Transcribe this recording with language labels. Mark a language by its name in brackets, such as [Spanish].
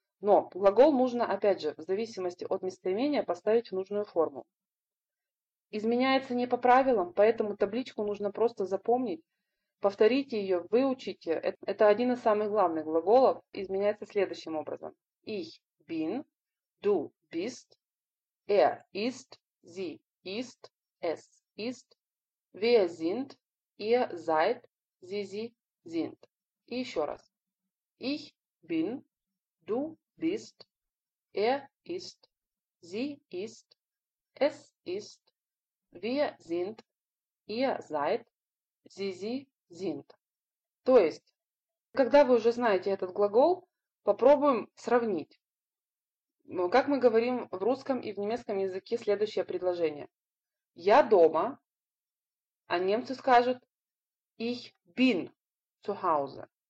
[Russian] Но глагол нужно, опять же, в зависимости от местоимения поставить в нужную форму. Изменяется не по правилам, поэтому табличку нужно просто запомнить, повторите ее, выучите. Это один из самых главных глаголов. Изменяется следующим образом. [German] Ich bin, du bist, ist, sie ist, es ist, wir sind, ihr seid, sie sind. [Russian] И еще раз. [German] Ich bin, du bist, ist, sie ist, es ist. Wir sind, ihr seid, sie sind. [Russian] То есть, Когда вы уже знаете этот глагол, попробуем сравнить. Как мы говорим в русском и в немецком языке следующее предложение. Я дома, а немцы скажут [German] Ich bin zu Hause.